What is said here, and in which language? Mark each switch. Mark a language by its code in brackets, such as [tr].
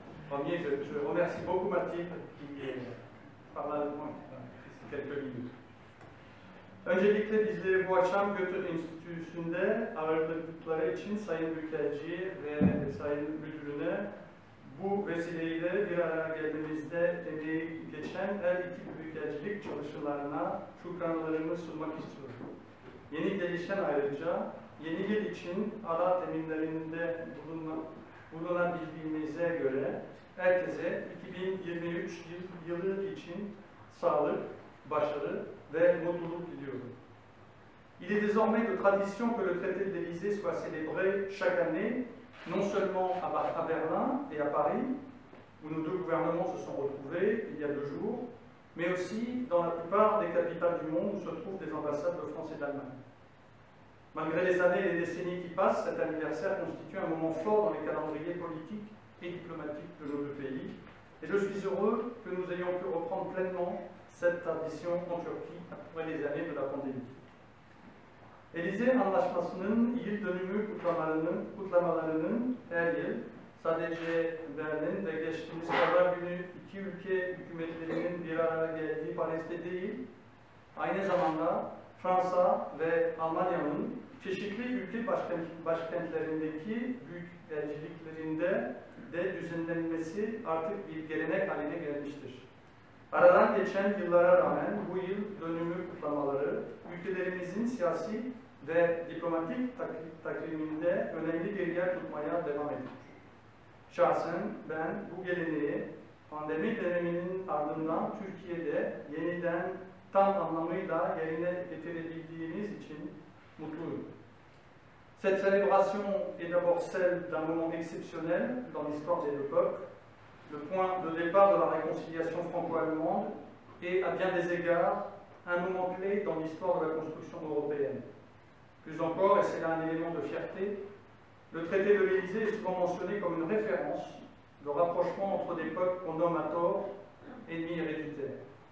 [fr] Premier, je remercie beaucoup Mathilde qui parle allemand quelques minutes. [tr] Öncelikle bizi bu akşam Goethe Enstitüsü'nde ağırladıkları için Sayın Büyükelçi ve Sayın Müdürüne bu vesileyle bir araya geldiğimizde emeği geçen her iki büyükelçilik çalışmalarına şükranlarımı sunmak istiyorum. Yeni gelişen ayrıca yeni yıl için ara teminlerinde bulunabildiğimize göre herkese 2023 yılı için sağlık, başarı ve mutluluk diliyorum. [fr] Il est désormais de tradition que le traité de l'Élysée soit célébré chaque année, non seulement à Berlin et à Paris, où nos deux gouvernements se sont retrouvés il y a deux jours, mais aussi dans la plupart des capitales du monde où se trouvent des ambassades de France et d'Allemagne. Malgré les années et les décennies qui passent, cet anniversaire constitue un moment fort dans les calendriers politiques et diplomatiques de nos deux pays, et je suis heureux que nous ayons pu reprendre pleinement cette tradition en Turquie après les années de la pandémie. [tr] Élysée anlaşmasının yıl dönümü kutlamalarının her yıl sadece Berlin ve geçtiğimiz pazar günü iki ülke hükümetlerinin bir araya geldiği Paris'te değil, aynı zamanda Fransa ve Almanya'nın çeşitli ülke başkentlerindeki büyükelçiliklerinde de düzenlenmesi artık bir gelenek haline gelmiştir. Aradan geçen yıllara rağmen bu yıl dönümü kutlamaları ülkelerimizin siyasi ve diplomatik takviminde önemli bir yer tutmaya devam ediyor. Şahsen ben bu geleneği pandemi döneminin ardından Türkiye'de yeniden tam anlamıyla yerine getirebildiğimiz için mutluyum. [fr] Cette célébration est d'abord celle d'un moment exceptionnel dans l'histoire des deux peuples, le point de départ de la réconciliation franco-allemande et, à bien des égards, un moment clé dans l'histoire de la construction européenne. Plus encore, et c'est là un élément de fierté, le traité de l'Élysée est souvent mentionné comme une référence de rapprochement entre des peuples qu'on nomme à tort ennemis héréditaires.